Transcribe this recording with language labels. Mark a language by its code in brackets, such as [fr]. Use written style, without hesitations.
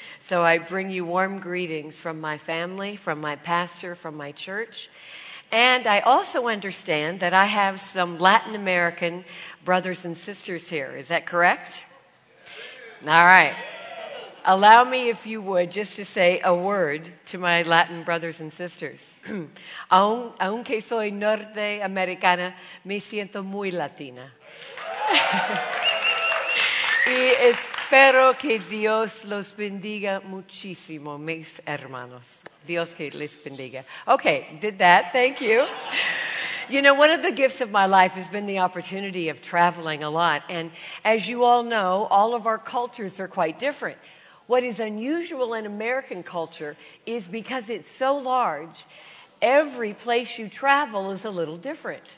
[en] So I bring you warm greetings from my family, from my pastor, from my church. And I also understand that I have some Latin American brothers and sisters here. Is that correct? All right. Allow me, if you would, just to say a word to my Latin brothers and sisters. [es] Aunque soy norte americana, me siento muy latina. Y espero que Dios los bendiga muchísimo, mis hermanos. Dios que les bendiga. [en] Okay, did that. Thank you. You know, one of the gifts of my life has been the opportunity of traveling a lot. And as you all know, all of our cultures are quite different. What is unusual in American culture is because it's so large, every place you travel is a little different.